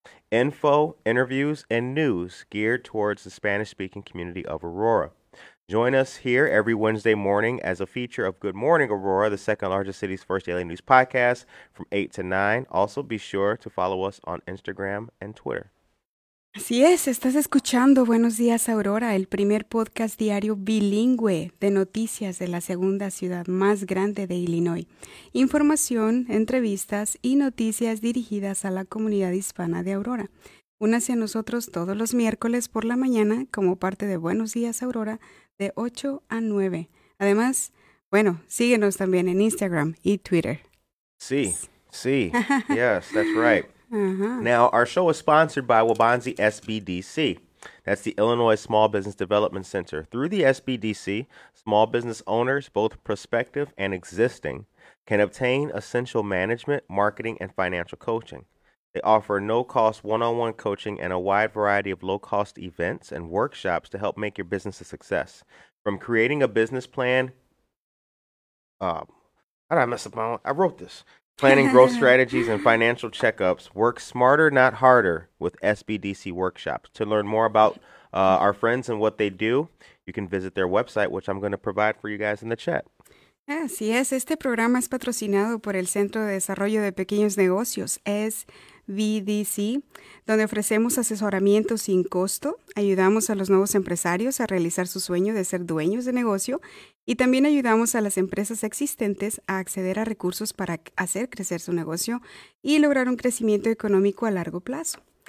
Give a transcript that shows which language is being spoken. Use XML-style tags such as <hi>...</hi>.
<en>Info, interviews, and news geared towards the Spanish-speaking community of Aurora. Join us here every Wednesday morning as a feature of Good Morning Aurora, the second largest city's first daily news podcast from 8 to 9. Also, be sure to follow us on Instagram and Twitter.</en> <es>Así es, estás escuchando Buenos Días Aurora, el primer podcast diario bilingüe de noticias de la segunda ciudad más grande de Illinois. Información, entrevistas y noticias dirigidas a la comunidad hispana de Aurora. Únase a nosotros todos los miércoles por la mañana como parte de Buenos Días Aurora de 8 a 9. Además, bueno, síguenos también en Instagram y Twitter. Sí, sí,</es> <en>yes, that's right. Uh-huh. Now, our show is sponsored by Waubonsie SBDC. That's the Illinois Small Business Development Center. Through the SBDC, small business owners, both prospective and existing, can obtain essential management, marketing, and financial coaching. They offer no-cost one-on-one coaching and a wide variety of low-cost events and workshops to help make your business a success. From creating a business plan, how did I mess up my own? I wrote this. Planning growth strategies and financial checkups. Work smarter, not harder, with SBDC workshops. To learn more about our friends and what they do, you can visit their website, which I'm going to provide for you guys in the chat.</en> <es>Así es. Este programa es patrocinado por el Centro de Desarrollo de Pequeños Negocios, SBDC, donde ofrecemos asesoramiento sin costo. Ayudamos a los nuevos empresarios a realizar su sueño de ser dueños de negocio. Y también ayudamos a las empresas existentes a acceder a recursos para hacer crecer su negocio y lograr un crecimiento económico a largo plazo.</es>